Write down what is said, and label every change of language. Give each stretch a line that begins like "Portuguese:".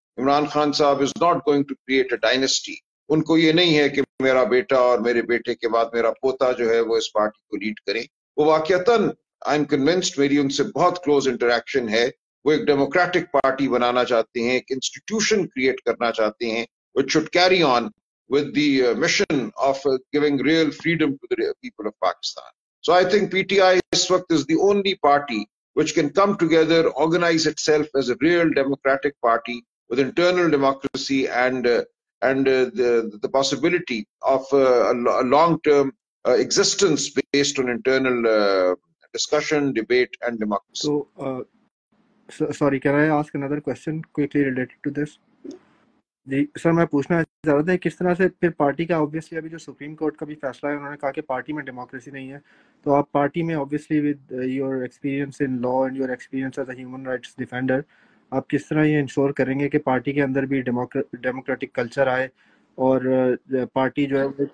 Urdu: عمران خان صاحب
English: Is not going to create a dynasty.
Urdu: ان کو یہ نہیں ہے کہ میرا بیٹا اور میرے بیٹے کے بعد میرا پوتا جو ہے وہ اس پارٹی کو لیڈ کرے. وہ واقعتاً
English: I am convinced,
Urdu: میری ان سے بہت کلوز انٹریکشن ہے, وہ ایک ڈیموکریٹک پارٹی بنانا چاہتے ہیں, ایک انسٹیٹیوشن کریٹ کرنا چاہتے ہیں
English: Which should carry on with the mission of giving real freedom to the people of Pakistan. So I think PTI this waqt is the only party which can come together, organize itself as a real democratic party with internal democracy and the possibility of a long term existence based on internal discussion, debate and democracy. So, sorry, can I ask another question quickly related to this?
Urdu: جی سر, میں پوچھنا چاہ رہا تھا کس طرح سے پھر party کا, آبویسلی ابھی جو سپریم کورٹ کا بھی فیصلہ ہے انہوں نے کہا کہ پارٹی میں ڈیموکریسی نہیں ہے, تو آپ پارٹی میں
English: obviously with your experience in law and your experience as a human rights defender,
Urdu: آپ کس طرح یہ انشور کریں گے کہ پارٹی کے اندر بھی ڈیموکریٹک کلچر آئے اور پارٹی جو ہے